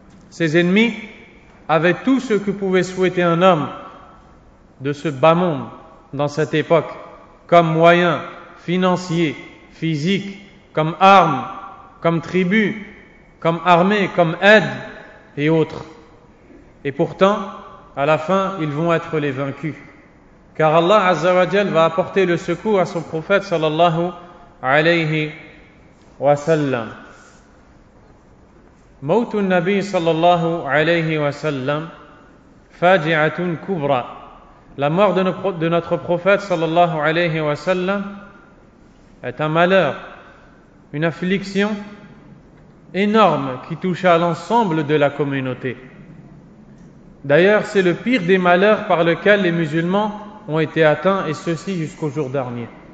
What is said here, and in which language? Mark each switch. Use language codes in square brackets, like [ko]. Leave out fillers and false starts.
[fr] Ses ennemis avaient tout ce que pouvait souhaiter un homme de ce bas monde dans cette époque, comme moyens financiers, physiques, comme armes, comme tribus, comme armées, comme aides et autres. Et pourtant, à la fin, ils vont être les vaincus. Car Allah Azza wa Jal va apporter le secours à son prophète sallallahu [ar] عليه وسلم. موت النبي صلى الله عليه وسلم فاجعة كبرى. [fr] La mort de notre prophète sallallahu alayhi wa sallam est un malheur, une affliction énorme qui toucha l'ensemble de la communauté. D'ailleurs, c'est le pire des malheurs par lequel les musulmans ont été atteints, et ceci jusqu'au jour dernier.